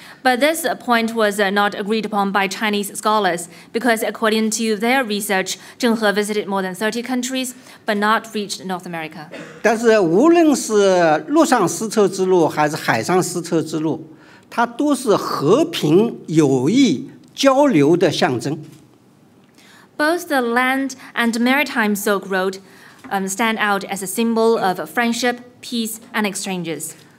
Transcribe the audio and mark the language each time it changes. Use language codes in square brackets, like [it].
[en] But this point was not agreed upon by Chinese scholars, because according to their research, Zhenghe visited more than 30 countries, but not reached North America. [zh] 但是无论是陆上丝绸之路还是海上丝绸之路，它都是和平、友谊、交流的象征。 [en] Both the land and maritime Silk Road stand out as a symbol of friendship, peace, and exchanges.